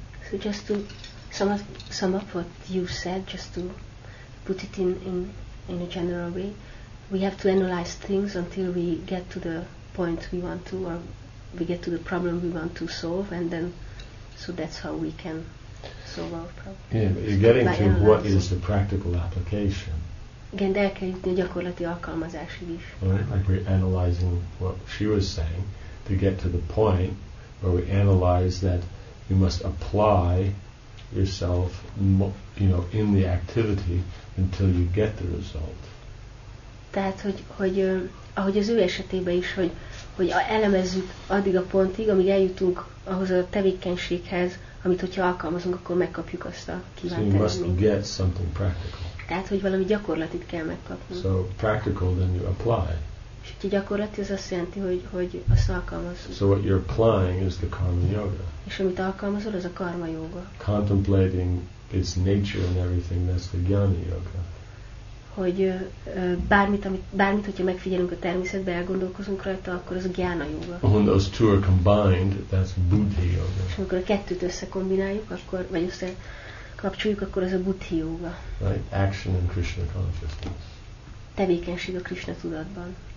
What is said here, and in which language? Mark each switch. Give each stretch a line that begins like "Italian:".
English: So just to sum up what you said, just to put it in a general way, we have to analyze things until we get to the point we want to, or we get to the problem we want to solve, and then, so that's how we can solve our problem. Yeah, you're getting to what is the practical application.
Hungarian: Igen, de el kell jutni a gyakorlati alkalmazásig is.
English: Like we're analyzing what she was saying, to get to the point where we analyze that you must apply yourself, you know, in the activity until you get the result.
Hungarian: Tehát, hogy ahogy az ő esetében is, hogy elemezzük addig a pontig, amíg eljutunk ahhoz a tevékenységhez, amit hogyha alkalmazunk, akkor megkapjuk azt a kívánt eredményt.
English: So you must get something practical.
Hungarian: Tehát, hogy valami gyakorlatit kell megkapni.
English: So practical, then you apply.
Hungarian: És hogyha gyakorlati, az azt jelenti, hogy azt alkalmazunk.
English: So what you're applying is the karma yoga.
Hungarian: És amit alkalmazol, az a karma yoga.
English: Contemplating its nature and everything, that's the jnana yoga.
Hungarian: Hogy bármit, hogyha megfigyelünk a természetbe, elgondolkozunk rajta, akkor az a jnana yoga.
English: When those two are combined, that's buddhi yoga.
Hungarian: És amikor a kettőt összekombináljuk, akkor, vagy összekapcsoljuk, akkor az a buddhi yoga.
English: Right, action and Krishna consciousness.
Hungarian: Tevékenység a Krishna tudatban.